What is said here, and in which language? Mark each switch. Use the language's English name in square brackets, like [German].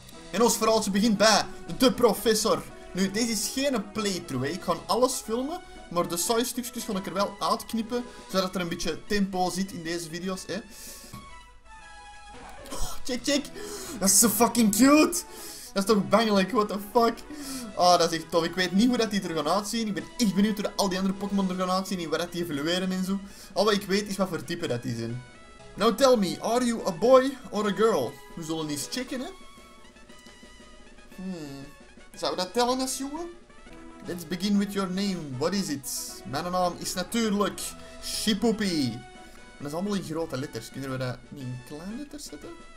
[Dutch] En ons verhaaltje begint bij de professor. Nu, deze is geen playthrough, hè. Ik ga alles filmen, maar de saaie stukjes ga ik er wel uitknippen, zodat er een beetje tempo zit in deze video's, hè. Oh, check. Dat is zo fucking cute. Dat is toch bangelijk, [English] what the fuck. [Dutch] Oh, dat is echt tof. Ik weet niet hoe dat die er gaan uitzien. Ik ben echt benieuwd hoe al die andere Pokémon er gaan uitzien en waar dat die evolueren en zo. Al wat ik weet is wat voor type dat die zijn. [English] Now tell me, are you a boy or a girl? [Dutch] We zullen eens checken, hè. Zou dat tellen als jongen? [English] Let's begin with your name. What is it? [Dutch] Mijn naam is natuurlijk Shipoopy. Dat is allemaal in grote letters. Kunnen we dat niet in kleine letters zetten?